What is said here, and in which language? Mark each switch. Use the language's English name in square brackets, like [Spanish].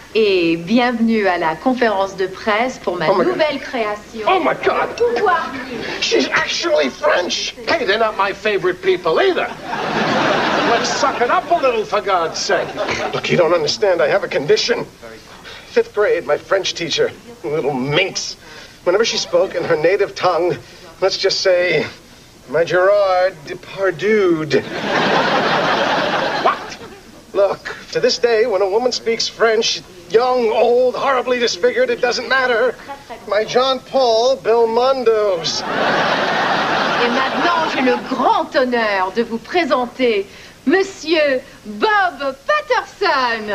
[French] Et bienvenue à la conférence de presse pour ma nouvelle création. [English] Oh my God! She's actually French! Hey, they're not my favorite people either. Well, suck it up a little, for God's sake. Look, you don't understand. I have a condition. Fifth grade, my French teacher, little minx. Whenever she spoke in her native tongue, let's just say, my Gerard de Pardude. What? Look, to this day, when a woman speaks French, young, old, horribly disfigured, it doesn't matter. My Jean-Paul Belmondo's. [French] Et maintenant, j'ai le grand honneur de vous présenter Monsieur Bob Patterson.